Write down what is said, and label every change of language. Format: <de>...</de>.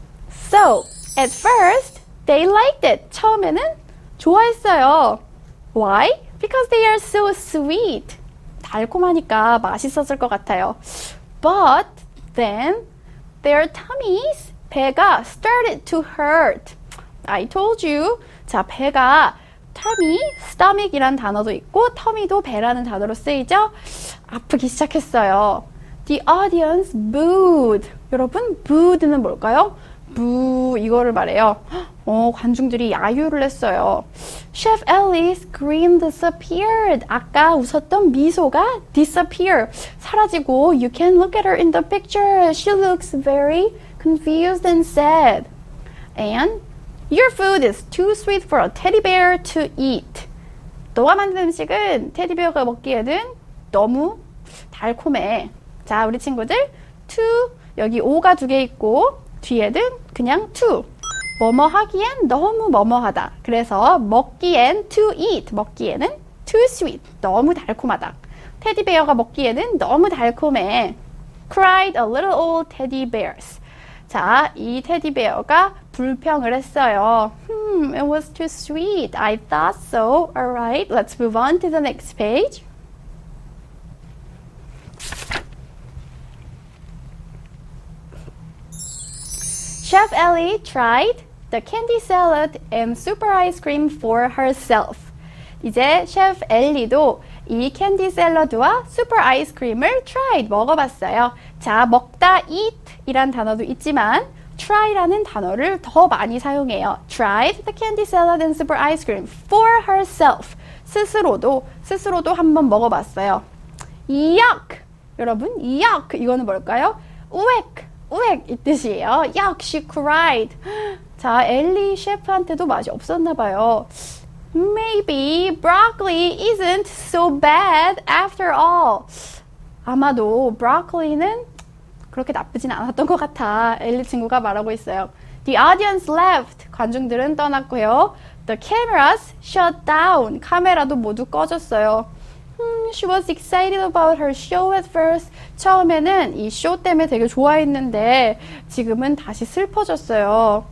<en>So, at first, they liked it.</en> <ko>처음에는 좋아했어요.</ko> <en>Why? Because they are so sweet.</en> <ko>달콤하니까 맛있었을 것 같아요.</ko> <en>But then, their tummies, 배가 started to hurt. I told you.</en> <ko>자, 배가 tummy, stomach이란 단어도 있고 tummy도 배라는 단어로 쓰이죠. 아프기 시작했어요.</ko> <en>The audience booed.</en> <ko>여러분, booed는 뭘까요? 부 이거를 말해요. 관중들이 야유를 했어요.</ko> <en>Chef Ellie's grin disappeared.</en> <ko>아까 웃었던 미소가</ko> <en>disappear.</en> <ko>사라지고</ko> <en>you can look at her in the picture. She looks very confused and sad. And your food is too sweet for a teddy bear to eat.</en> <ko>너가 만든 음식은 테디베어가 먹기에는 너무 달콤해. 자, 우리 친구들, 여기 오가 두개 있고, 뒤에는 그냥 투. 뭐뭐 하기엔 너무 뭐뭐하다. 그래서 먹기엔 to eat, 먹기에는 too sweet, 너무 달콤하다. 테디베어가 먹기에는 너무 달콤해.</ko> <en>Cried a little old teddy bears.</en> <ko>자, 이 테디베어가 불평을 했어요.</ko> <en>It was too sweet. I thought so. Alright, let's move on to the next page. 셰프 엘리 tried the candy salad and super ice cream for herself.</en> <ko>이제 셰프 엘리도 이 캔디 샐러드와 슈퍼 아이스크림을 tried 먹어봤어요. 자, 먹다 eat이란 단어도 있지만 try라는 단어를 더 많이 사용해요.</ko> <en>Tried the candy salad and super ice cream for herself.</en> <ko>스스로도 한번 먹어봤어요. Yuck! 여러분, yuck! 이거는 뭘까요? 우엑! 우엑! 이 뜻이에요. Yuck!</ko> <en>She cried.</en> <ko>자, 엘리 셰프한테도 맛이 없었나 봐요.</ko> <en>Maybe broccoli isn't so bad after all.</en> <ko>아마도 broccoli는 그렇게 나쁘진 않았던 것 같아. 엘리 친구가 말하고 있어요.</ko> <en>The audience left.</en> <ko>관중들은 떠났고요.</ko> <en>The cameras shut down.</en> <ko>카메라도 모두 꺼졌어요.</ko> <en>She was excited about her show at first.</en> <ko>처음에는 이쇼 때문에 되게 좋아했는데 지금은 다시 슬퍼졌어요.</ko>